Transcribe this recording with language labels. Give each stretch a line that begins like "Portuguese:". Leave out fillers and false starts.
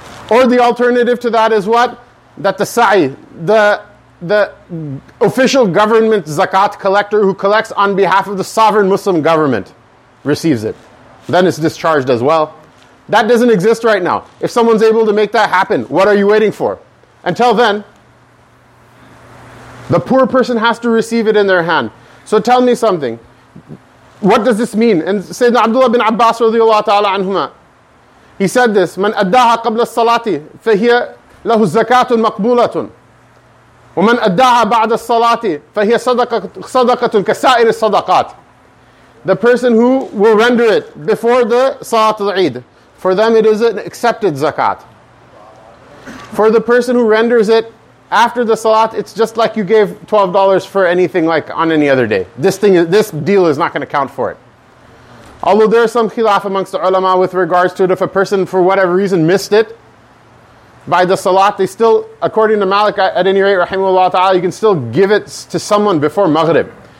English: Or the alternative to that is what? That the sa'i, the official government zakat collector who collects on behalf of the sovereign Muslim government, receives it. Then it's discharged as well. That doesn't exist right now. If someone's able to make that happen, what are you waiting for? Until then, The poor person has to receive it in their hand. So tell me something. What does this mean?
Arabic: And Sayyidina Abdullah bin Abbas radiallahu ta'ala anhuma,
English: he said this,
Arabic: من أداها قبل الصلاة فهي له زكاة مقبولة ومن أداها بعد الصلاة فهي صدقة كسائر الصدقات.
English: The person who will render it before the Salat al-Eid, for them it is an accepted zakat. For the person who renders it after the Salat, it's just like you gave $12 for anything like on any other day. This deal is not going to count for it. Although there is some khilaf amongst the ulama with regards to it, if a person for whatever reason missed it by the Salat, they still, according to Malik at any rate, rahimahullah ta'ala, you can still give it to someone before Maghrib.